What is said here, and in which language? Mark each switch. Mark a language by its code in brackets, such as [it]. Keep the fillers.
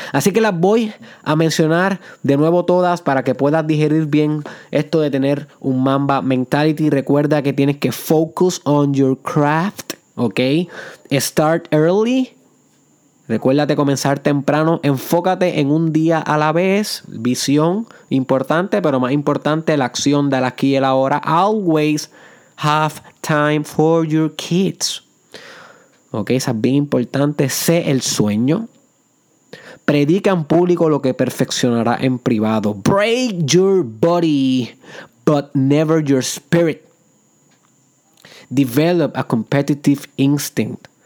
[es] Así que las voy a mencionar de nuevo todas para que puedas digerir bien esto de tener un Mamba Mentality. Recuerda que tienes que [en] focus on your craft, [es] ¿ok? [en] Start early. [es] Recuérdate comenzar temprano, enfócate en un día a la vez, visión importante, pero más importante la acción del aquí y el ahora. [en] Always have time for your kids. [es] Ok, esa es bien importante. Sé el sueño, Predica en público lo que perfeccionará en privado. [en] Break your body, but never your spirit. Develop a competitive instinct.